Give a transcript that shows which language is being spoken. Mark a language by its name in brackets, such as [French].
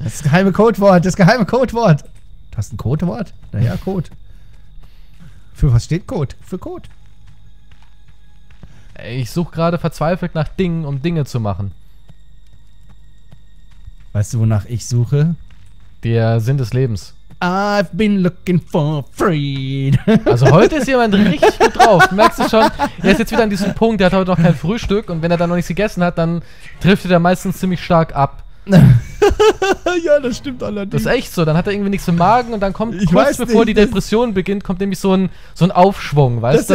[German] Das geheime Codewort. Du hast ein Codewort? Naja, Code. Für was steht Code? Für Code. Ich suche gerade verzweifelt nach Dingen, um Dinge zu machen. Weißt du, wonach ich suche? Der Sinn des Lebens. [English] I've been looking for freedom. [German] Also heute ist jemand richtig gut drauf. Merkst du schon? Er ist jetzt wieder an diesem Punkt, der hat heute noch kein Frühstück und wenn er dann noch nichts gegessen hat, dann driftet er meistens ziemlich stark ab. Ja, das stimmt allerdings. Das ist echt so, dann hat er irgendwie nichts im Magen und dann kommt ich kurz weiß bevor nicht, die Depression beginnt, kommt nämlich so ein Aufschwung, weißt du?